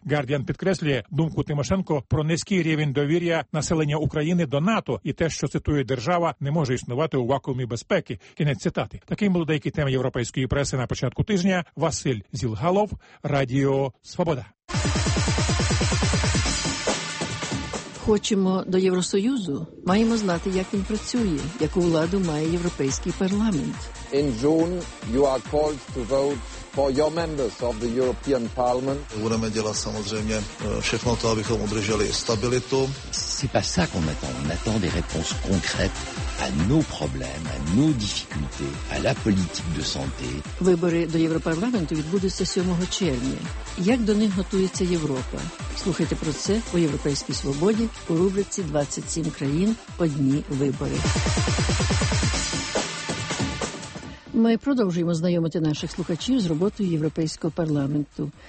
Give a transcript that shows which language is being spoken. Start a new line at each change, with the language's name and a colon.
Ukrainian: Guardian підкреслює думку Тимошенко про низький рівень довір'я населення України до НАТО і те, що, цитує, держава не може існувати у вакуумі безпеки. Кінець цитати. Таким були деякі теми європейської преси на початку тижня. Василь Зілгалов, Радіо Свобода. Хочемо до Євросоюзу? Маємо знати, як він працює, яку владу має Європейський парламент.
English: In June you are called to vote for your members of the European Parliament.
Czech: Budeme dělat samozřejmě všechno to, abychom udrželi stabilitu.
French: C'est pas ça qu'on attend. On attend des réponses concrètes à nos problèmes, à nos difficultés, à la politique de santé.
Ukrainian: Вибори до Європарламенту відбудуться 7 червня. Як до них готується Європа? Слухайте про це у Європейській свободі у рубриці 27 країн одні вибори. Ми продовжуємо знайомити наших слухачів з роботою Європейського парламенту.